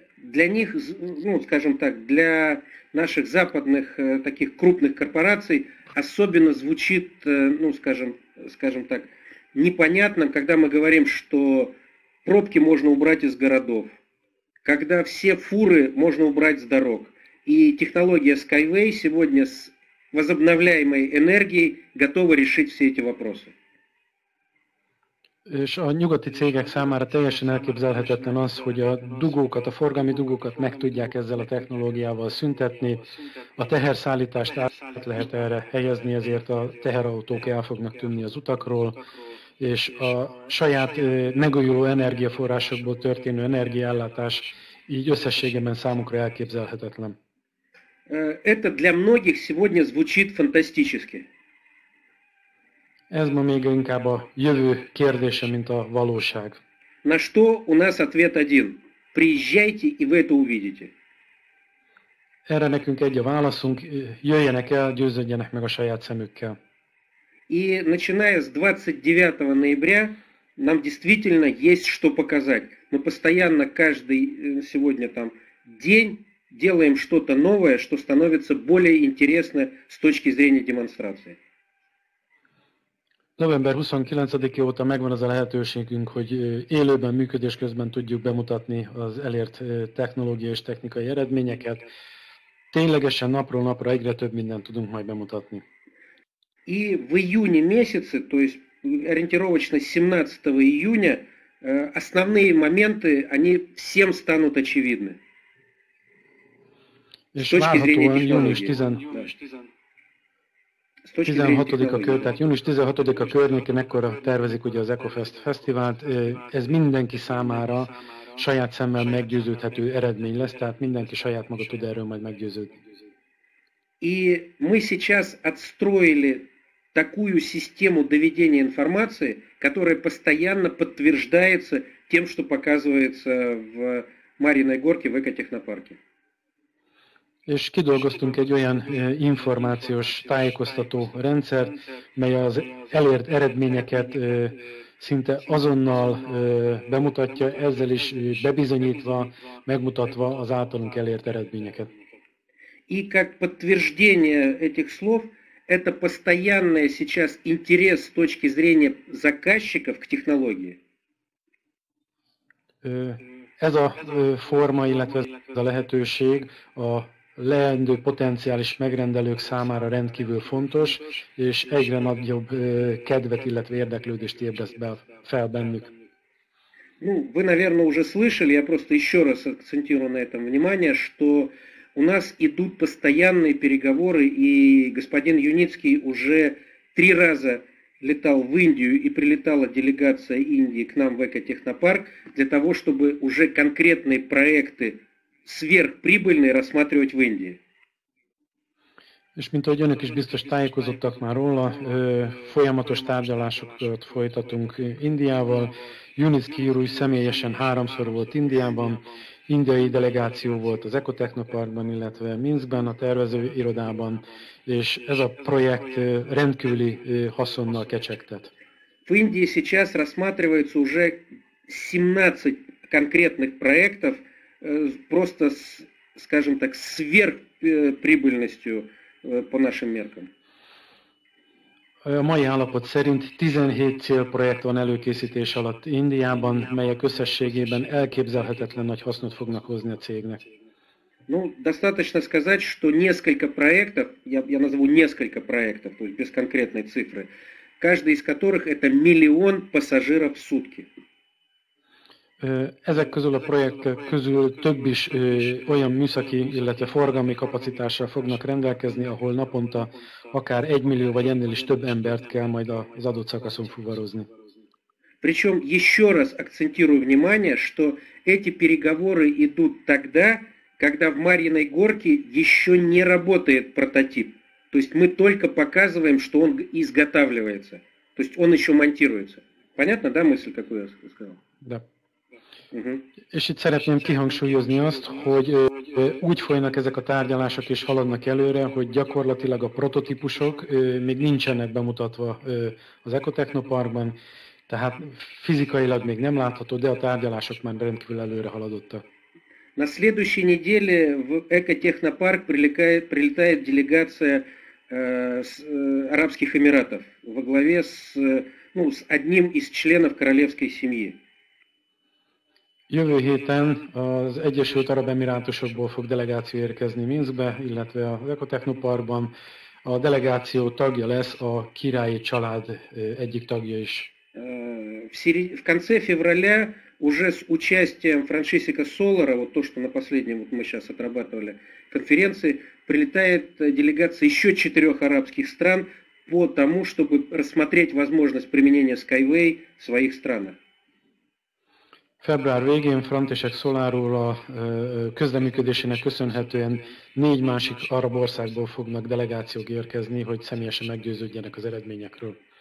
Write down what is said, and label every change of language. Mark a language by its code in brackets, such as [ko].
[ru] Для них, ну, скажем так, для наших западных таких крупных корпораций особенно звучит, ну, скажем так, непонятно, когда мы говорим, что пробки можно убрать из городов, когда все фуры можно убрать с дорог. И технология Skyway сегодня с возобновляемой энергией готова решить все эти вопросы. [hu] És a nyugati cégek számára teljesen elképzelhetetlen az, hogy a dugókat, a forgalmi dugókat meg tudják ezzel a technológiával szüntetni, a teherszállítást át lehet erre helyezni, ezért a teherautók el fognak tűnni az utakról, és a saját megújuló energiaforrásokból történő energiaellátás így összességében számukra elképzelhetetlen. [ru] Это для многих сегодня звучит фантастически. [hu] Ez ma még inkább a jövő kérdése, mint a valóság. [ru] На что у нас ответ один. Приезжайте, и вы это увидите. [hu] Erre nekünk egy a válaszunk, jöjjenek el, győződjenek meg a saját szemükkel. [ru] И начиная с 29 ноября, нам действительно есть что показать. Мы постоянно каждый сегодня там день делаем что-то новое, что становится более интересно с точки зрения демонстрации. [hu] November 29-e óta megvan az a lehetőségünk, hogy élőben, működés közben tudjuk bemutatni az elért technológiai és technikai eredményeket. Ténylegesen napról napra egyre több mindent tudunk majd bemutatni. [ru] И в июне месяце, то есть ориентировочно 17 июня, основные моменты, они всем станут очевидны. [hu] És várhatóan június 16. 16-a kör, tehát június 16-a környékén ekkora tervezik ugye az Ecofest fesztivált, ez mindenki számára saját szemmel meggyőződhető eredmény lesz, tehát mindenki saját maga tud erről majd meggyőződni. [ru] И мы сейчас отстроили такую систему доведения информации, которая постоянно подтверждается тем, что показывается в Мариной Горке в Экотехнопарке. [hu] És kidolgoztunk egy olyan információs tájékoztató rendszert, mely az elért eredményeket szinte azonnal bemutatja, ezzel is bebizonyítva, megmutatva az általunk elért eredményeket. [ru] И как подтверждение этих слов, это постоянный сейчас интерес с точки зрения заказчиков к технологии. [hu] Ez a forma, illetve ez a lehetőség a leendő potenciális megrendelők számára rendkívül fontos, és egyre nagyobb kedvet, illetve érdeklődést ébreszt fel bennük. [ru] Ну, вы, наверное, уже слышали, я просто еще раз акцентирую на этом внимание, что у нас идут постоянные переговоры, и господин Юницкий уже три раза летал в Индию, и прилетала делегация Индии к нам в Экотехнопарк, для того, чтобы уже конкретные проекты сверхприбыльные рассматривать в Индии. [hu] És mint ahogy önök is biztos tájékozottak már róla, folyamatos tárgyalásokat folytatunk Indiával. Junicki úr személyesen háromszor volt Indiában, indiai delegáció volt az Ekotechnoparkban, illetve Minskben a tervező irodában, és ez a projekt rendkívüli haszonnal kecsegtet. [ru] В Индии сейчас рассматривается уже 17 конкретных проектов просто, скажем так, сверхприбыльностью по нашим меркам. [hu] A mai állapot szerint 17 célprojekt van előkészítés alatt Indiában, melyek összességében elképzelhetetlen nagy hasznot fognak hozni a cégnek. [ru] Ну, достаточно сказать, что несколько проектов, я назову несколько проектов, то есть без конкретной цифры, каждый из которых это миллион пассажиров в сутки. [hu] Ezek közül a projektek közül több is olyan műszaki, illetve forgalmi kapacitással fognak rendelkezni, ahol naponta akár 1 millió vagy ennél is több embert kell majd az adott szakaszon fuvarozni. [ru] Причем еще раз акцентирую внимание, что эти переговоры идут тогда, когда в Марьиной Горке еще не работает прототип. То есть мы только показываем, что он изготавливается. То есть он еще монтируется. Понятно, да, мысль, какую я сказал? Да. [hu] És itt szeretném kihangsúlyozni azt, hogy úgy folynak ezek a tárgyalások és haladnak előre, hogy gyakorlatilag a prototípusok még nincsenek bemutatva az Ecotechnoparkban, tehát fizikailag még nem látható, de a tárgyalások már rendkívül előre haladottak. [ru] На следующей неделе в Экотехнопарк прилетает делегация Арабских Эмиратов во главе с одним из членов королевской семьи. [hu] Jövő héten az Egyesült Arab Emirátusokból fog delegáció érkezni Minskbe, illetve az Ecotechnoparkban a delegáció tagja lesz a királyi család egyik tagja is. [ru] В конце февраля уже с участием Франциска Солара, вот то, что на последнем вот мы сейчас отрабатывали конференции, прилетает делегация еще 4 арабских стран по тому, чтобы рассмотреть возможность применения Skyway в своих странах. [hu] Február végén František Szoláról a közleműködésének köszönhetően 4 másik arab országból fognak delegációk érkezni, hogy személyesen meggyőződjenek az eredményekről.